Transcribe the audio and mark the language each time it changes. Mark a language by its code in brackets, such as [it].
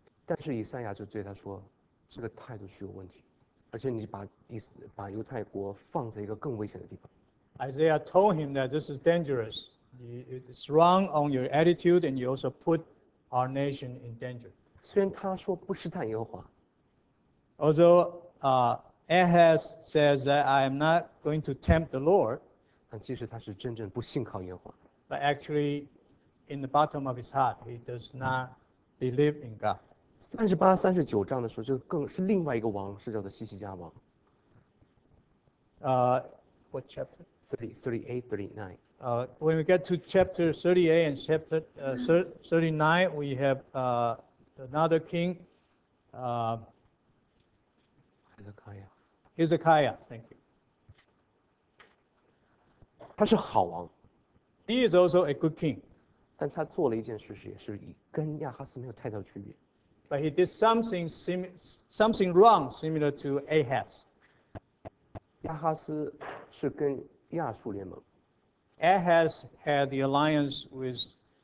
[zh] 但是以赛亚就对他说，这个态度是有问题，而且你把犹太国放在一个更危险的地方。 [en] Isaiah told him that this is dangerous. It's wrong on your attitude, and you also put our nation in danger. [zh] 虽然他说不试探耶和华。 [en] Although Ahaz says that I am not going to tempt the Lord, [zh] 但其实他是真正不信靠耶和华。 [en] But actually, in the bottom of his heart, he does not believe in God. [zh] 38-39的时候，就更是另外一个王，是叫做西西家王。 [en] What chapter? 38-39. When we get to chapter 38 and chapter 39, we have another king. Hezekiah, thank you. [zh] 他是好王。 [en] He is also a good king. [zh] 但他做了一件事是也是跟亚哈斯没有太大区别。 [en] But he did something wrong, similar to Ahaz. [zh] 亚哈斯是跟亚述联盟。 [en] Ahaz had the alliance with